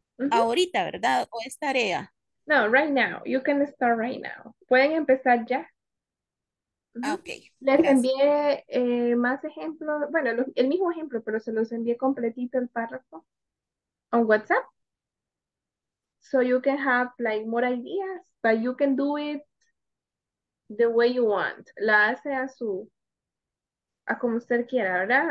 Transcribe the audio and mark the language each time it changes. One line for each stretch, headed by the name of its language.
Spanish: Ahorita, ¿verdad? ¿O es tarea?
English: No, right now. You can start right now.
Spanish: Pueden empezar ya.
English: Okay.
Spanish: Les gracias. Envié más ejemplos. Bueno, el mismo ejemplo, pero se los envié completito el párrafo on WhatsApp.
English: So you can have like more ideas, but you can do it the way you want.
Spanish: La hace a su, a como usted quiera, ¿verdad?